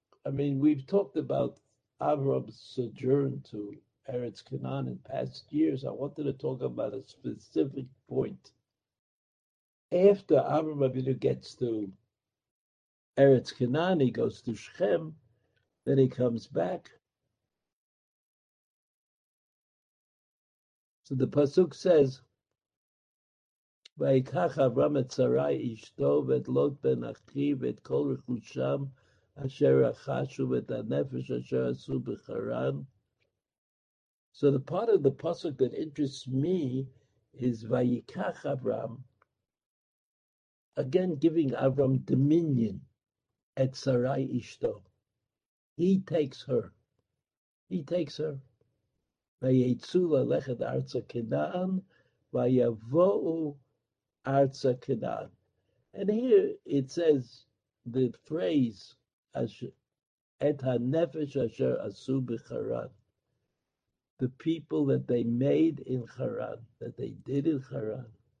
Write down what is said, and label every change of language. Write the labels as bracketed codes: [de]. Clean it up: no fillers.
[en] We've talked about Avraham's sojourn to Eretz Canaan in past years. I wanted to talk about a specific point. After Avraham Avinu gets to Eretz Canaan, he goes to Shechem, then he comes back. So the Pasuk says, [he] וייקח אברהם את שרי אשתו ואת לוט בן אחיו ואת כל רכושם אשר רכשו ואת הנפש אשר עשו בחרן. [en] So the part of the pasuk that interests me is [he] וייקח אברהם, [en] again giving Avram dominion [he] at Sarai Ishto. [en] He takes her. [he] וייצאו ללכת ארץ הכנען ויבואו Arza Kedan. [en] And here it says the phrase [he] et ha-nefesh asher asu b'charan, [en] the people that they made in Charan, that they did in Charan.